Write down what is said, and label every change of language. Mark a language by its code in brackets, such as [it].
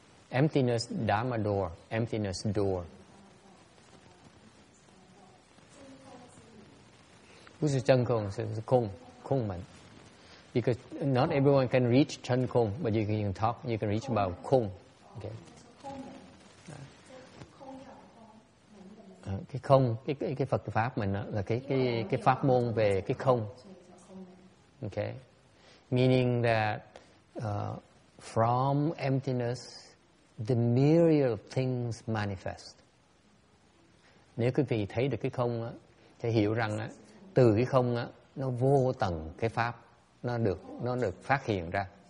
[en] Emptiness Dharma door. Emptiness door. Who's the chân khung? It's khung. Khung mẫn. Because not everyone can reach chân khung, but you can reach about khung. Okay. [vi] cái không, cái Phật pháp mình đó, là cái pháp môn về cái không. [en] Okay. Meaning that from emptiness the myriad of things manifest. [vi] Nếu quý vị thấy được cái không á, thì hiểu rằng á, từ cái không á, nó vô tận cái pháp nó được phát hiện ra.